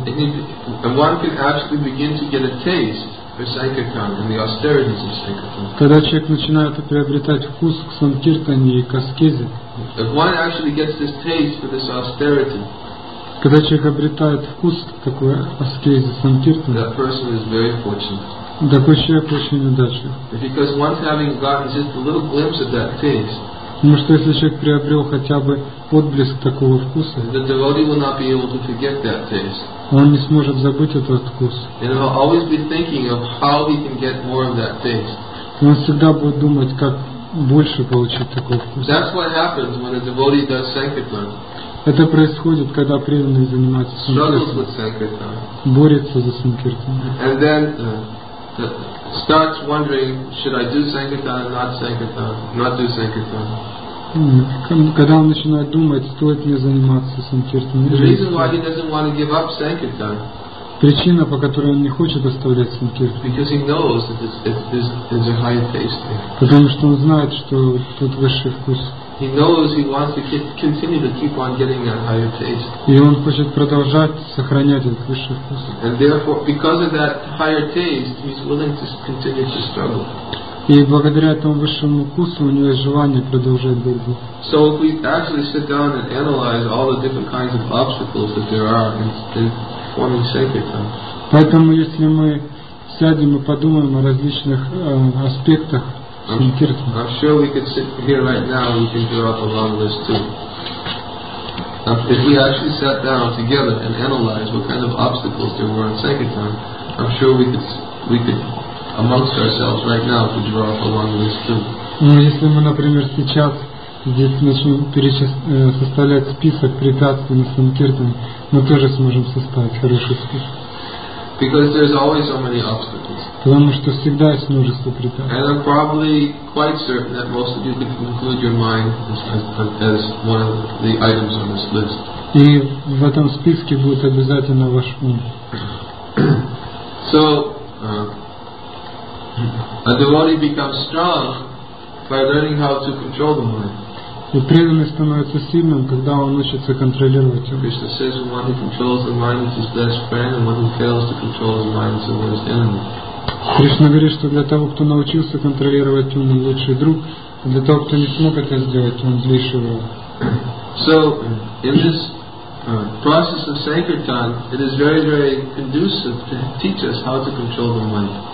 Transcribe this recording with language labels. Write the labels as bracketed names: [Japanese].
[English] And one can actually begin to get a taste for Sankirtan and the austerities of Sankirtan. [Russian] Когда человек начинает приобретать вкус к санкиртане и к аскезе, [English] if one actually gets this taste for this austerity, [Russian] когда человек обретает вкус к такой аскезе санкиртана, [English] that person is very fortunate. [Russian] Такой человек очень удачлив. [English] Because once having gotten just a little glimpse of that taste, [Russian] потому что если человек приобрел хотя бы отблеск такого вкуса, [English] the devotee will not be able to forget that taste. [Russian] Он не сможет забыть этот вкус. [English] And he'll always be thinking of how he can get more of that taste. [Russian] Он всегда будет думать, как больше получить такой вкус. [English] That's what happens when a devotee does sankirtan. [Russian] Это происходит, когда преданный занимается санкиртан. Борется за санкиртан. [English] And then starts wondering, should I do sankirtan, not sankirtan, not do sankirtan. [Russian] Когда он начинает думать, стоит ли заниматься санкиртаной жизнью. Причина, по которой он не хочет оставлять санкиртану. [English] Because he knows that it's a high taste there. [Russian] Потому что он знает, что тут высший вкус. [English] He knows he wants to continue to keep on getting that higher taste. [Russian] И он хочет продолжать сохранять этот высший вкус. [English] And therefore, because of that higher taste, he's willing to continue to struggle. [Russian] И благодаря этому высшему вкусу у него есть желание продолжать борьбу. [English] So if we actually sit down and analyze all the different kinds of obstacles that there are in forming sankirtan. [Russian] Поэтому если мы сядем и подумаем о различных аспектах санкиртана. [English] I'm sure we could sit here right now and we can draw up a long list too. If we actually sat down together and analyzed what kind of obstacles there were in sankirtan, I'm sure we could amongst ourselves right now to draw up a long list too. [Russian] Если мы, например, сейчас здесь начнем составлять список препятствий на санкиртане, мы тоже сможем составить хороший список. [English] Because there's always so many obstacles. [Russian] Потому что всегда есть множество препятствий. [English] And I'm probably quite certain that most of you could include your mind as one of the items on this list. [Russian] И в этом списке будет обязательно ваш ум. [English] So, a devotee becomes strong by learning how to control the mind. [Russian] И преданный становится сильным, когда он учится контролировать ум. [English] Krishna says, the one who controls the mind is his best friend, and one who fails to control his mind is his worst enemy. [Russian] Krishna говорит, что для того, кто научился контролировать ум, он лучший друг, а для того, кто не смог это сделать, он злейший враг. [English] So, in this process of sankirtan, it is very, very conducive to teach us how to control the mind.